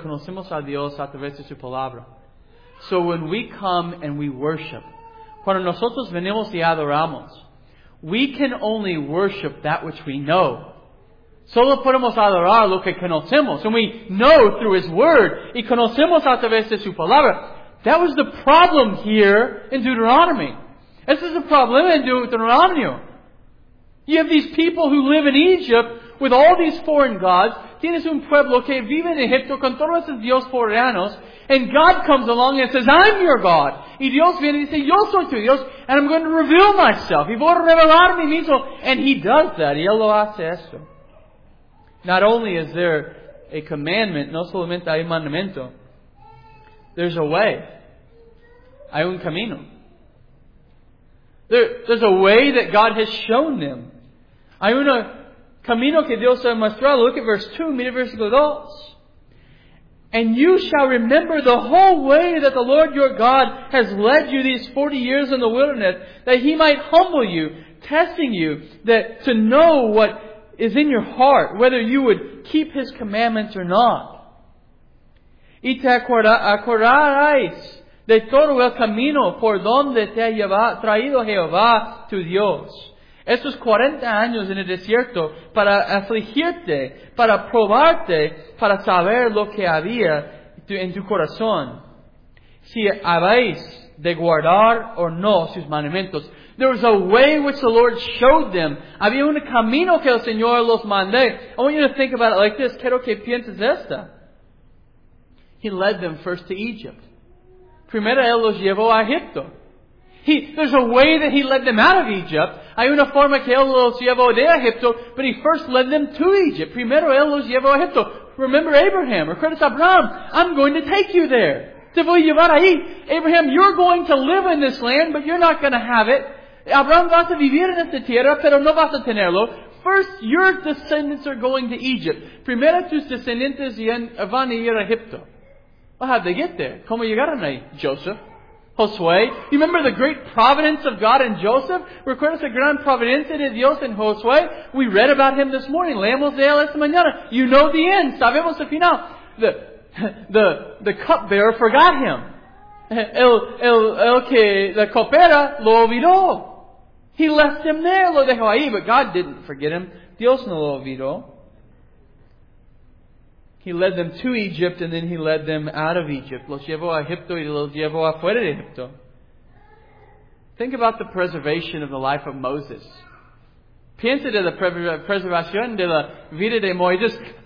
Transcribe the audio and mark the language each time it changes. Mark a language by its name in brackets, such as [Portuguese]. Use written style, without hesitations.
[Spanish] Conocemos a Dios a través de su palabra. [English] So when we come and we worship, [Spanish] cuando nosotros venimos y adoramos, [English] we can only worship that which we know. [Spanish] Solo podemos adorar lo que conocemos. [English] And we know through His Word. [Spanish] Y conocemos a través de su palabra. [English] That was the problem here in Deuteronomy. This is a problem in Deuteronomy. You have these people who live in Egypt with all these foreign gods. [Spanish] Tienes un pueblo que vive en Egipto con todos esos dioses foráneos. [English] And God comes along and says, I'm your God. [Spanish] Y Dios viene y dice, yo soy tu Dios. [English] And I'm going to reveal myself. [Spanish] Y voy a revelar mi mismo. [English] And He does that. [Spanish] Y Él lo hace esto. [English] Not only is there a commandment, [Spanish] no solamente hay mandamiento, [English] there's a way. [Spanish] Hay un camino. [English] There's a way that God has shown them. [Spanish] Hay un camino que Dios ha mostrado. [English] Look at verse 2, [Spanish] mira versículo 2. [English] And you shall remember the whole way that the Lord your God has led you these 40 years in the wilderness, that He might humble you, testing you, that to know what is in your heart, whether you would keep His commandments or not. [Spanish] Y te acordarás de todo el camino por donde te ha traído Jehová tu Dios. Estos 40 años en el desierto para afligirte, para probarte, para saber lo que había en tu corazón. Si habéis de guardar o no sus mandamientos. [English] There was a way which the Lord showed them. [Spanish] Había un camino que el Señor los mandé. [English] I want you to think about it like this. [Spanish] Quiero que pienses esta. [English] He led them first to Egypt. [Spanish] Primero Él los llevó a Egipto. [English] There's a way that He led them out of Egypt. [Spanish] Hay una forma que Él los llevó de Egipto, [English] but He first led them to Egypt. [Spanish] Primero Él los llevó a Egipto. [English] Remember Abraham, or credit to Abraham. I'm going to take you there. [Spanish] Te voy a llevar ahí. [English] Abraham, you're going to live in this land, but you're not going to have it. [Spanish] Abraham, vas a vivir en esta tierra, pero no vas a tenerlo. [English] First, your descendants are going to Egypt. [Spanish] Primero tus descendientes van a ir a Egipto. [English] Well, how did they get there? [Spanish] ¿Cómo llegaron ahí? [English] Joseph. Josué. You remember the great providence of God in Joseph? [Spanish] ¿Recuerdas la gran providencia de Dios en Josué? [English] We read about him this morning. [Spanish] Leemos de él esta mañana. [English] You know the end. [Spanish] Sabemos el final. [English] The cupbearer forgot him. [Spanish] El que la copera lo olvidó. [English] He left him there, [Spanish] lo dejó ahí, [English] but God didn't forget him. [Spanish] Dios no lo olvidó. [English] He led them to Egypt and then He led them out of Egypt. [Spanish] Los llevó a Egipto y los llevó afuera de Egipto. [English] Think about the preservation of the life of Moses. [Spanish] Piensa de la preservación de la vida de Moisés.